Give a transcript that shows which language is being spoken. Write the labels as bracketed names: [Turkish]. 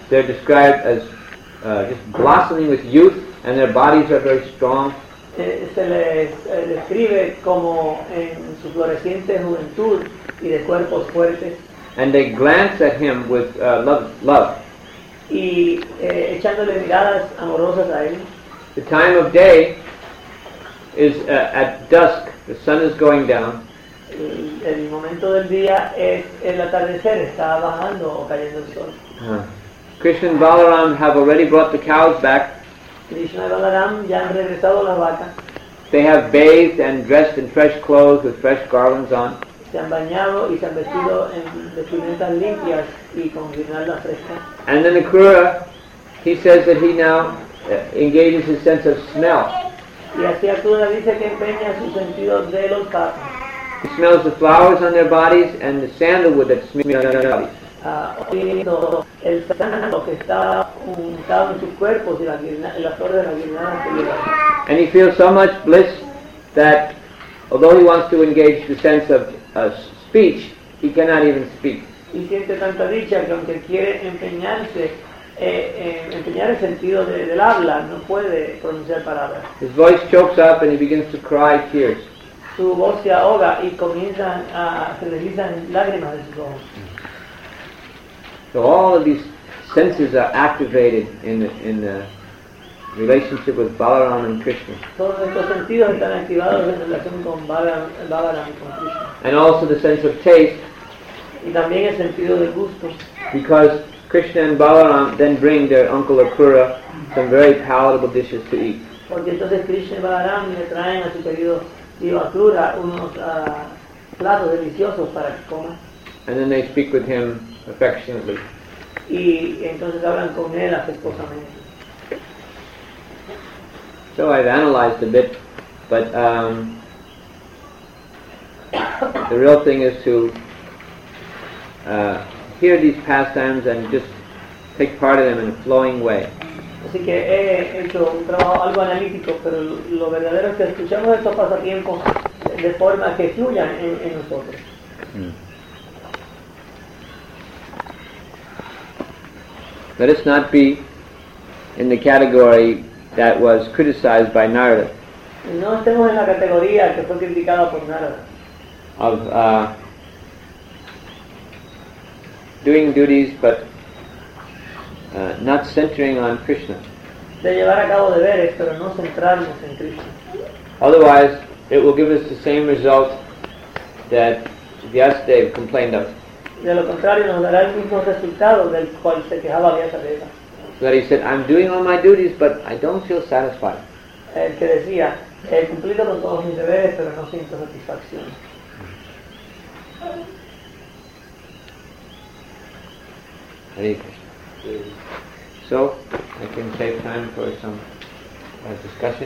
[English] They're described as just blossoming with youth, and their bodies are very strong. [Spanish] Se les describe como en su floreciente juventud y de cuerpos fuertes. [English] And they glance at him with love. [Spanish] Y echándole miradas amorosas a él. [English] The time of day is at dusk. The sun is going down. [Spanish] El momento del día es el atardecer. Está bajando o cayendo el sol. [English] Krishna and Balaram have already brought the cows back. [Spanish] Krishna y Balaram ya han regresado las vacas. [English] They have bathed and dressed in fresh clothes with fresh garlands on. [Spanish] Se han bañado y se han vestido en vestimentas limpias y con guirnaldas frescas. [English] And then Akrura, he says that he now engages his sense of smell. [Spanish] Y así Akrura dice que empeña su sentido del olfato. [English] He smells the flowers on their bodies and the sandalwood that smears on their bodies. [Spanish] El sandalwood que está untado en sus cuerpos y la flor de la guirnalda. [English] And he feels so much bliss that although he wants to engage the sense of speech, he cannot even speak. [Spanish] Y siente tanta dicha que aunque quiere empeñarse, empeñar el sentido del habla, no puede pronunciar palabras. [English] His voice chokes up and he begins to cry tears. [Spanish] Su voz se ahoga y comienzan a se deslizan lágrimas de sus ojos. [English] So all of these senses are activated in the relationship with Balaram and Krishna. [Spanish] Todos estos sentidos están activados en relación con Balaram y con Krishna. [English] And also the sense of taste. [Spanish] Y también el sentido del gusto. [English] Because Krishna and Balaram then bring their uncle Akrura some very palatable dishes to eat. [Spanish] Porque entonces Krishna y Balaram le traen a su querido tío Akrura unos platos deliciosos para que coma. [English] And then they speak with him affectionately. [Spanish] Y entonces hablan con él afectuosamente. [English] So I've analyzed a bit, but the real thing is to hear these pastimes and just take part of them in a flowing way. [Spanish] Así que he hecho un trabajo algo analítico, pero lo verdadero es que escuchamos estos pasatiempos de forma que fluyan en nosotros. [English] Let us not be in the category that was criticized by Narada. [Spanish] No estemos en la categoría que fue criticada por Narada. [English] Of doing duties but not centering on Krishna. [Spanish] De llevar a cabo deberes pero no centrarnos en Krishna. [English] Otherwise, it will give us the same result that Vyasadeva complained of. [Spanish] De lo contrario, nos dará el mismo resultado del cual se quejaba Vyasadeva. [English] That he said, I'm doing all my duties, but I don't feel satisfied. [Spanish] El que decía, he cumplido con todos mis deberes, pero no siento satisfacción. [English] Hare Krishna. So, I can save time for some discussion.